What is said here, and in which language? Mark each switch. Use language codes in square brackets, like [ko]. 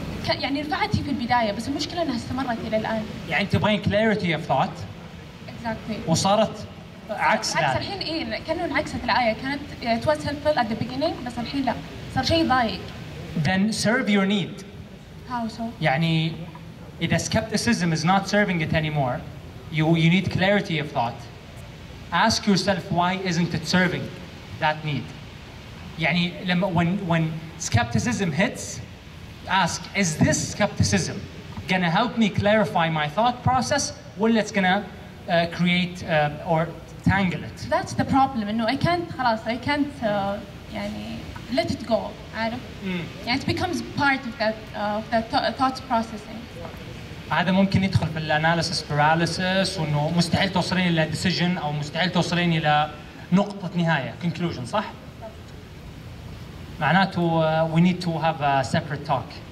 [ar] يعني رفعت هي في البداية، بس المشكلة إنها استمرت إلى الآن. يعني تبغين [en] clarity of thought؟ [ar] وصارت عكس ذلك. الحين إيه كانوا انعكست الآية، كانت [en] it was helpful at the beginning، [ar] بس الحين لا، صار شيء ضايق. [en] Then serve your need. How so? [ar] يعني إذا [en] skepticism is not serving it anymore، you need clarity of thought. Ask yourself why isn't it serving that need. يعني لما when skepticism hits، ask is this skepticism gonna help me clarify my thought process، ولا it's gonna create or tangle it. That's the problem. No, I can't. خلاص I can't. يعني let it go. عارف. Mm. Yeah, it becomes part of that thought processing. [ar] هذا ممكن يدخل في analysis paralysis، وإنه مستحيل توصلين إلى decision أو مستحيل توصلين إلى نقطة نهاية conclusion، صح؟ معناته [en] we need to have a separate talk.